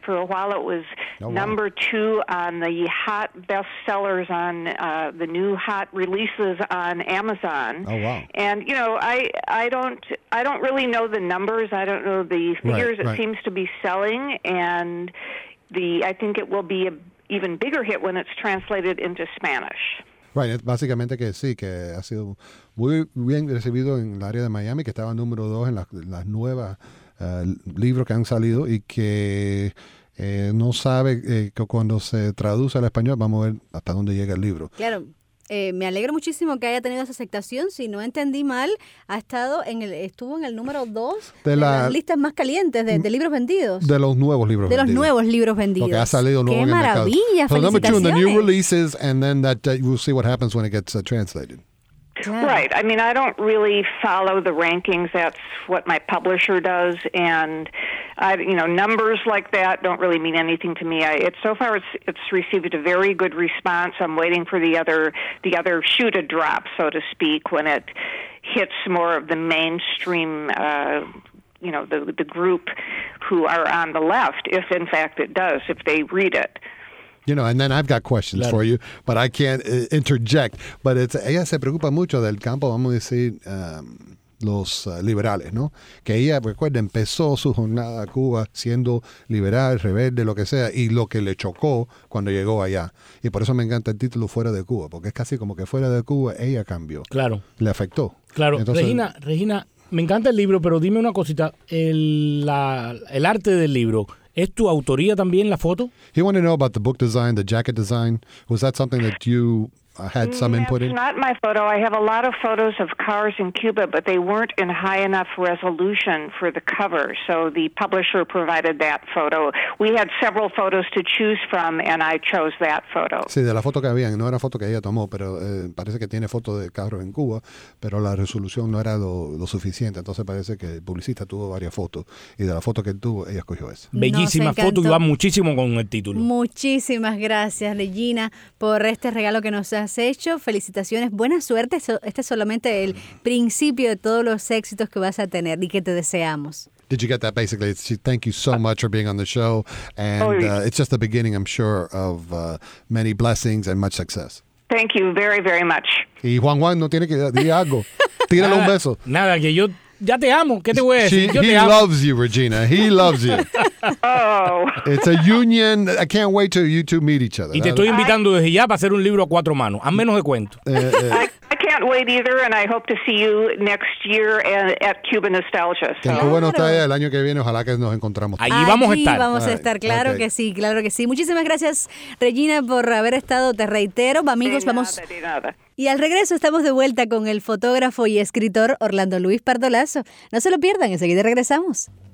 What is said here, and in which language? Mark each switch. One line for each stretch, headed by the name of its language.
English: For a while, it was number two on the hot bestsellers on the new hot releases on Amazon. Oh wow! And you know, I don't really know the numbers. I don't know the figures. it right. seems to be selling, and I think it will be an even bigger hit when it's translated into Spanish. Right,
Spanish: básicamente que sí, que ha sido muy bien recibido en el área de Miami, que estaba número dos en las nuevas libros que han salido y que no sabe que cuando se traduce al español, vamos a ver hasta dónde llega el libro. Claro, me alegro muchísimo que haya tenido esa aceptación. Si no entendí mal, estuvo en el número dos de las listas más calientes de libros vendidos. De los nuevos libros vendidos. Que ha salido nuevo en el mercado. ¡Qué maravilla! ¡Felicitaciones!
English: So number two, the new releases, and then that we'll see what happens when it gets translated. Yeah. Right. I mean, I don't really follow the rankings. That's what my publisher does. And, I, you know, numbers like that don't really mean anything to me. So far, it's received a very good response. I'm waiting for the other shoe to drop, so to speak, when it hits more of the mainstream, the group who are on the left, if in fact it does, if they read it. You know, and then I've got questions for you, but I can't interject. But
Spanish: ella se preocupa mucho del campo, vamos a decir, los liberales, ¿no? Que ella, recuerda, empezó su jornada a Cuba siendo liberal, rebelde, lo que sea, y lo que le chocó cuando llegó allá. Y por eso me encanta el título Fuera de Cuba, porque es casi como que fuera de Cuba ella cambió. Claro. Le afectó. Claro. Entonces, Regina, me encanta el libro, pero dime una cosita. El arte del libro... ¿Es tu autoría también la foto?
English: He wanted to know about the book design, the jacket design. Was that something that you had some input in? It's not my photo. I have a lot of photos of cars in Cuba, but they weren't in high enough resolution for the cover, so the publisher provided that photo. We had several photos to choose from, and I chose that photo.
Spanish: Sí, de la foto que habían. No era foto que ella tomó, pero parece que tiene fotos de carros en Cuba, pero la resolución no era lo suficiente. Entonces parece que el publicista tuvo varias fotos, y de la foto que tuvo, ella escogió esa. Bellísima foto, y va muchísimo con el título. Muchísimas gracias, Regina, por este regalo que nos has hecho. Felicitaciones, buena suerte. Este es solamente el principio de todos los éxitos que vas a tener y que te deseamos.
English: Did you get that? Basically, thank you so much for being on the show, and it's just the beginning, I'm sure, of many blessings and much success. Thank you very, very much.
Spanish: Y Juan Juan no tiene que decir algo. Tírale un beso. Nada, que yo ya te amo. ¿Qué te voy a decir?
English: He loves you, Regina. He loves you. Oh. It's a union. I can't wait till you two meet each other.
Spanish: Y te estoy invitando desde ya para hacer un libro a cuatro manos. A menos de cuento.
English: I can't wait either, and I hope to see you next year at Cuba Nostalgia. So.
Spanish: En Cuba Nostalgia, el año que viene, ojalá que nos encontramos. Allí vamos a estar. Vamos a estar, claro que sí, claro que sí. Muchísimas gracias, Regina, por haber estado. Te reitero, amigos, vamos... Y al regreso estamos de vuelta con el fotógrafo y escritor Orlando Luis Pardo Lazo. No se lo pierdan, enseguida regresamos.